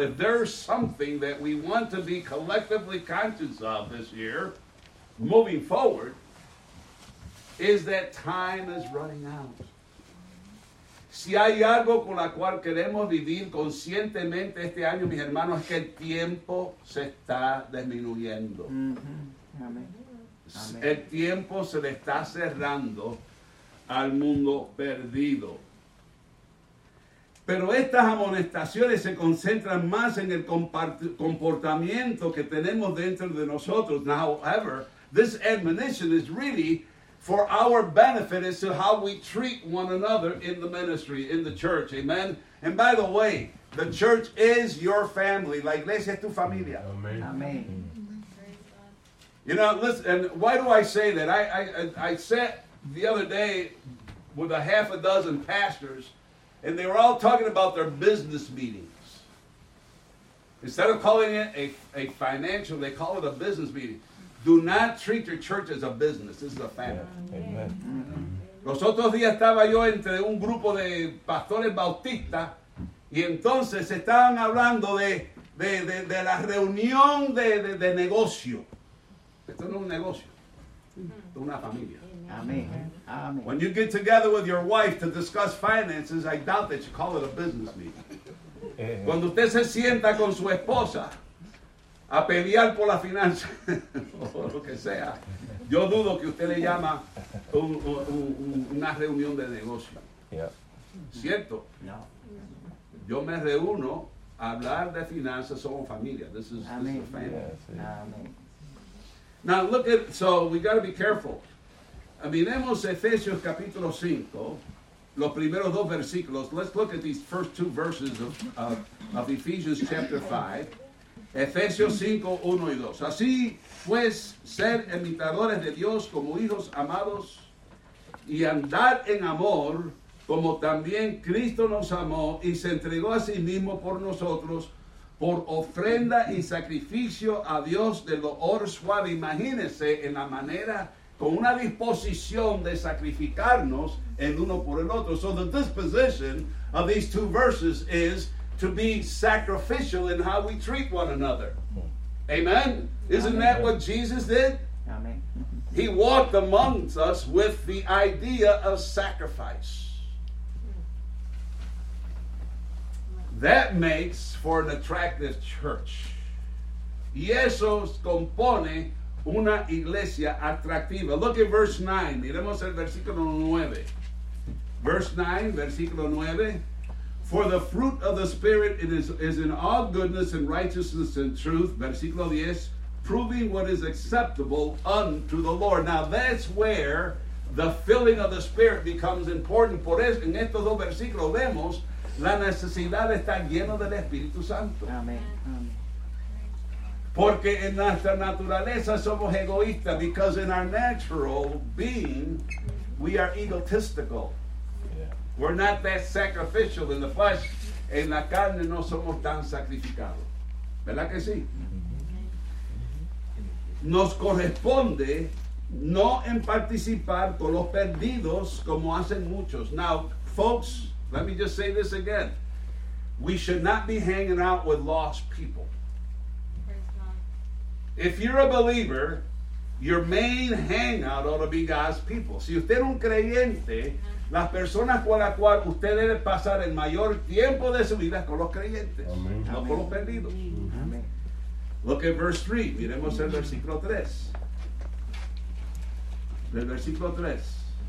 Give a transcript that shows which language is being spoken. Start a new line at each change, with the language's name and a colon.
English: If there's something that we want to be collectively conscious of this year, moving forward, is that time is running out.
Spanish: Si hay algo con la cual queremos vivir conscientemente este año, mis hermanos, es que el tiempo se está disminuyendo. Mm-hmm. Amén. El tiempo se le está cerrando al mundo perdido. Pero estas amonestaciones se concentran más en el comportamiento que tenemos dentro de nosotros.
English: Now, however, this admonition is really for our benefit as to how we treat one another in the ministry, in the church. Amen. And by the way, the church is your family.
Spanish: La iglesia es tu familia.
English: Amen. Amen. You know, listen, and why do I say that? I sat the other day with a half a dozen pastors, and they were all talking about their business meetings. Instead of calling it a financial, they call it a business meeting. Do not treat your church as a business. This is a family. Amen. Amen.
Spanish: Los otros días estaba yo entre un grupo de pastores bautistas, y entonces estaban hablando de la reunión de negocio. Esto no es un negocio, es una familia.
English: Amen. Amen. When you get together with your wife to discuss finances, I doubt that you call it a business meeting.
Spanish: Cuando usted se sienta con su esposa a pelear por la finanza, o lo que sea, yo dudo que usted le llama una reunión de negocio.
English: Yeah.
Spanish: ¿Cierto? No. Yo me reúno a hablar de finanzas, somos familia.
English: This is a family. Yeah,
Spanish: amén.
English: Now look at, so we got to be careful.
Spanish: Miremos Efesios capítulo 5, los primeros dos versículos.
English: Let's look at these first two verses of Ephesians chapter 5.
Spanish: Efesios 5, 1 y 2. Así pues, ser imitadores de Dios como hijos amados y andar en amor como también Cristo nos amó y se entregó a sí mismo por nosotros por ofrenda y sacrificio a Dios de olor suave. Imagínense en la manera, con una disposición de sacrificarnos en uno por el otro.
English: So the disposition of these two verses is to be sacrificial in how we treat one another. Amen? Isn't that what Jesus did? Amen. He walked amongst us with the idea of sacrifice. That makes for an attractive church.
Spanish: Y eso compone una iglesia atractiva.
English: Look at verse 9.
Spanish: Miremos el versículo 9.
English: Verse 9,
Spanish: versículo 9.
English: For the fruit of the Spirit is in all goodness and righteousness and truth,
Spanish: versículo 10,
English: proving what is acceptable unto the Lord. Now that's where the filling of the Spirit becomes important.
Spanish: Por eso, en estos dos versículos vemos la necesidad de estar lleno del Espíritu Santo. Amén. Amén. Porque en nuestra naturaleza somos egoístas.
English: Because in our natural being, we are egotistical. We're not that sacrificial in the flesh.
Spanish: En la carne no somos tan sacrificados. ¿Verdad que sí? Nos corresponde no en participar con los perdidos como hacen muchos.
English: Now, folks, let me just say this again. We should not be hanging out with lost people. If you're a believer, your main hangout ought to be God's people.
Spanish: Si usted es un creyente, las personas con las cuales usted debe pasar el mayor tiempo de su vida es con los creyentes, amén, no amén, con los perdidos. Amén.
English: Look at verse 3.
Spanish: Miremos el versículo 3. Del versículo 3.